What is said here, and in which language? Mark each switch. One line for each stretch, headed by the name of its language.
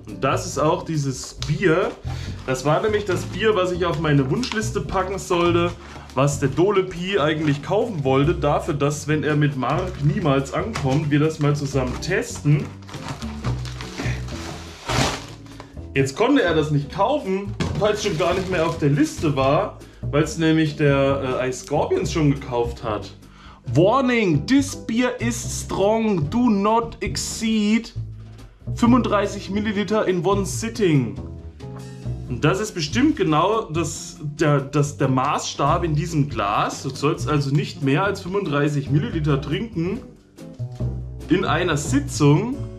German: Und das ist auch dieses Bier. Das war nämlich das Bier, was ich auf meine Wunschliste packen sollte, was der Dole Pi eigentlich kaufen wollte, dafür, dass, wenn er mit Marc niemals ankommt, wir das mal zusammen testen. Jetzt konnte er das nicht kaufen, weil es schon gar nicht mehr auf der Liste war, weil es nämlich der iScorpions schon gekauft hat.
English: Warning, this beer is strong, do not exceed 35 Milliliter in one sitting.
German: Und das ist bestimmt genau der Maßstab in diesem Glas. Du sollst also nicht mehr als 35 Milliliter trinken in einer Sitzung.